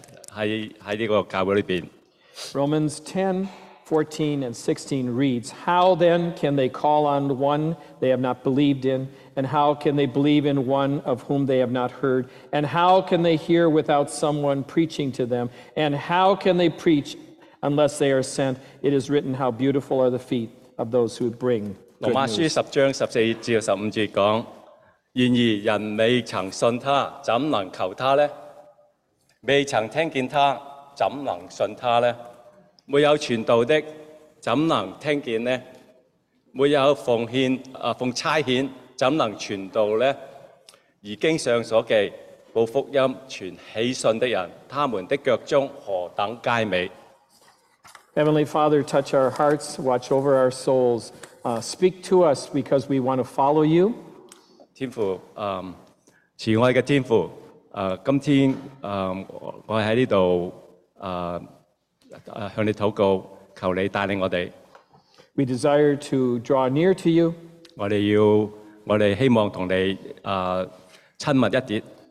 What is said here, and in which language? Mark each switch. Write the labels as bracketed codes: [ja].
[zh] 很高兴今天和你在这个教会里面 [en] Romans 10, 14 and 16 reads, How then can they call on one they have not believed in? And how can they believe in one of whom they have not heard? And how can they hear without someone preaching to them? And how can they preach unless they are sent? It is written, How beautiful are the feet of those who bring good news. [zh] 罗马书10章14至15节讲, 然而人未曾信他，怎能求他呢？未曾听见他，怎能信他呢？没有传道的，怎能听见呢？没有奉献、奉差遣，怎能传道呢？而经上所记，报福音传喜信的人，他们的脚中何等佳美！ [en] Heavenly Father, touch our hearts, watch over our souls. Speak to us because we want to follow you. [zh] 天父, 慈爱的天父, 今天, 我在这里, 向你祷告, 求你带领我们, [en] we desire to draw near to you. [zh] 我们希望和你, 亲密一点,